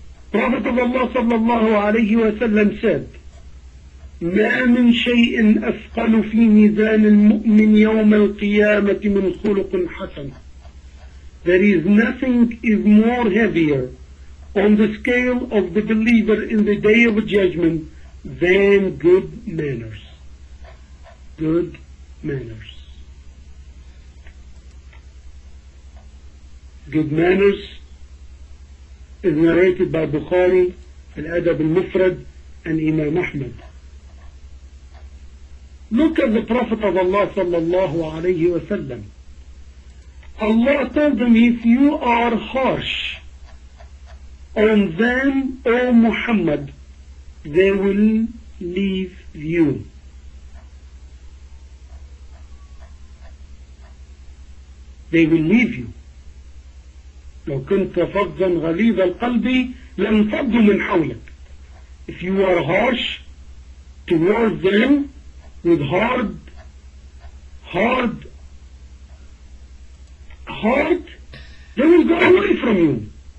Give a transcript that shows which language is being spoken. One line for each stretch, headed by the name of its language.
English: Prophet of Allah
Arabic: sallallahu alayhi wa sallam said, مَا مِنْ شَيْءٍ أَثْقَلُ فِي مِزَانِ الْمُؤْمِنِ يَوْمَ الْقِيَامَةِ مِنْ خُلُقٍ حَسَنٍ.
English: There is nothing is more heavier on the scale of the believer in the day of judgment than good manners. Good manners. Good manners is narrated by Bukhari, Al-Adab Al-Mufrad, and Imam Ahmad. Look at the Prophet of Allah sallallahu alayhi wa sallam. Allah told him, if you are harsh on them, O Muhammad, they will leave you. They will leave you.
Arabic: لو كنت فظا غليظ القلب لانفضوا من حولك.
English: If you are harsh towards them, with hard heart, they will go away from you.